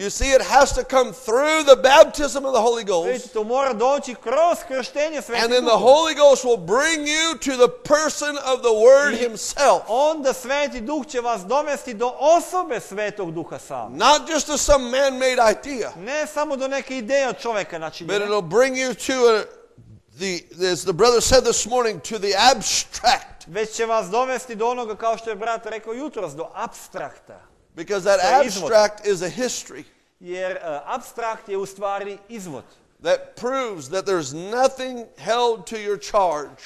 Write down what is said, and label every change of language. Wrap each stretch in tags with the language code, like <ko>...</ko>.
<en>You see, it has to come through the baptism of the Holy Ghost.</en> <sr>Vidite, to mora doći kroz krštenje Svetim Duhom.</sr> <en>And then the Holy Ghost will bring you to the person of the Word Himself.</en> <sr>Onda Sveti Duh će vas dovesti do osobe Svetog Duha sam.</sr> <en>Not just to some man-made idea.</en> <sr>Ne samo do neke ideje od čoveka načinjene.</sr> <en>But it'll bring you to a as the brother said this morning, to the abstract.</en> <sr>Već će vas dovesti do onoga kao što je brat rekao jutros, do abstrakta.</sr> <en>Because that abstract is a history.</en> <sr>Jer abstrakt je u stvari izvod.</sr> <en>That proves that there's nothing held to your charge.</en>